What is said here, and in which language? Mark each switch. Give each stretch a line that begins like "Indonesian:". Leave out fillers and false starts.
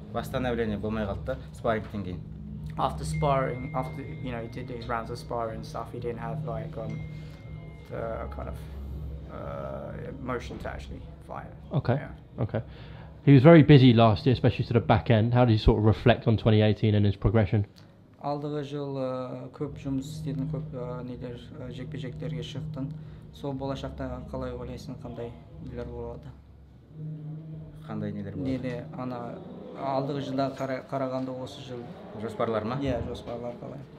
Kazakh: Восстановление болмай қалды, sparring деген.
English: After sparring, after you know he did his rounds of sparring and stuff, he didn't have like the kind of motion to actually fight. Okay. Yeah. Okay. He was very busy last year, especially to the back end. How did he sort of reflect on 2018 and his progression?
Kazakh: Алдыға жыл көп жұмыс істедім, көп нелер жекпе-жектерге шықтым. Сол болашақта қалай ойлайсың, қандай нелер болады? Қандай нелер болады? Неле, ана алдыға жылда қарағанда осы жыл жоспарлар ма? Иә, жоспарлар қалай?